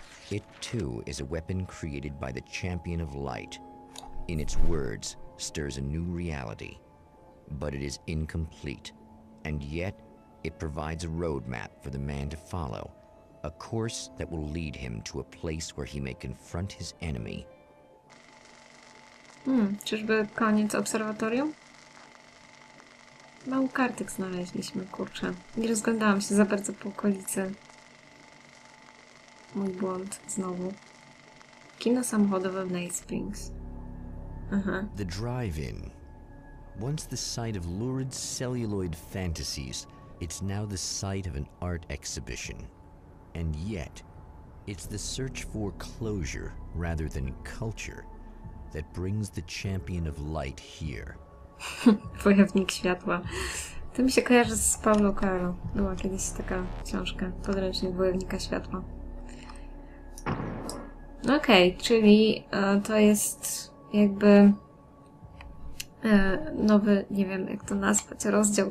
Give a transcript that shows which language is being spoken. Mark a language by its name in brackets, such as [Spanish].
[English] It, too, is a weapon created by the Champion of Light. In its words, stirs a new reality. But it is incomplete. And yet, it provides a roadmap for the man to follow. A course that will lead him to a place where he may confront his enemy. [Polish] Czyżby koniec obserwatorium? Mały kartek znaleźliśmy, kurczę. Nie rozglądałam się za bardzo po okolicy. Mój błąd, znowu. Kino samochodowe w Night Springs. [English] The drive-in. Once the site of lurid celluloid fantasies, it's now the site of an art exhibition. And yet, it's the search for closure rather than culture that brings the Champion of Light here. [Polish] Pojawnik światła. To mi się kojarzy z Paulo Coelho. Była kiedyś taka książka, podręcznik Pojawnika światła. Okej, czyli to jest jakby nowy, nie wiem jak to nazwać, rozdział.